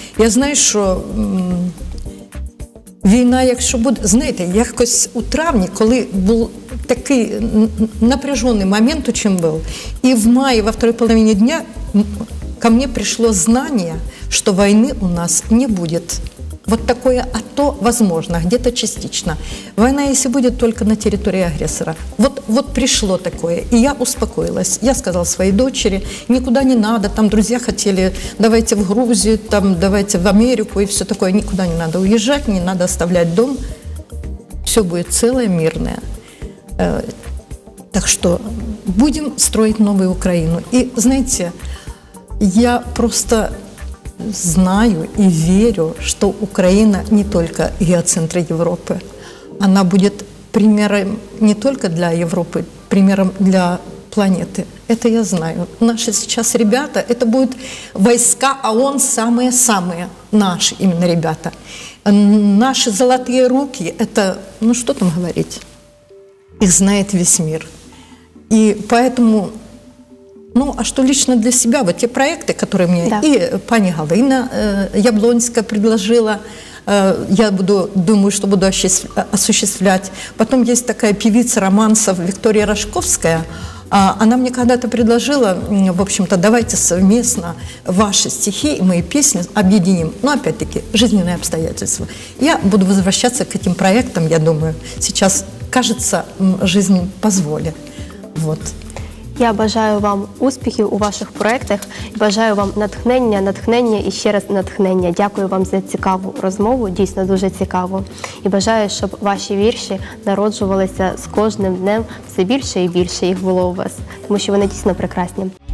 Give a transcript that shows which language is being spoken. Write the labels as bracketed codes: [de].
[uk] Я знаю, що війна, якщо буде, знаєте, якось у травні, коли був такий напряжений момент, у чому був, і в маї, во второй половині дня, ко мені прийшло знання, що війни у нас не буде. [ru] Вот такое АТО возможно, где-то частично. Война, если будет, только на территории агрессора. Вот пришло такое, и я успокоилась. Я сказала своей дочери, никуда не надо, там друзья хотели, давайте в Грузию, там, давайте в Америку и все такое. Никуда не надо уезжать, не надо оставлять дом. Все будет целое, мирное. Так что будем строить новую Украину. И знаете, [uk] я просто знаю і вірю, що Україна не тільки геоцентр Європи, вона буде приміром не тільки для Європи, приміром для планети. Це я знаю. Наші зараз ребята, це будуть війська ООН саме-саме, наші іменно ребята. Наші золоті руки, це, ну що там говорити, їх знає весь світ. І тому. [ru] Ну, а что лично для себя? Вот те проекты, которые мне да. И пани Галина Яблонська предложила я буду, думаю, что буду осуществлять. Потом есть такая певица романсов Виктория Рожковская. Она мне когда-то предложила, в общем-то, давайте совместно ваши стихи и мои песни объединим. Ну, опять-таки, жизненные обстоятельства. Я буду возвращаться к этим проектам, я думаю. Сейчас, кажется, жизнь позволит. Вот. [uk] Я бажаю вам успіхів у ваших проєктах, бажаю вам натхнення, натхнення і ще раз натхнення. Дякую вам за цікаву розмову, дійсно дуже цікаво. І бажаю, щоб ваші вірші народжувалися з кожним днем все більше і більше їх було у вас, тому що вони дійсно прекрасні.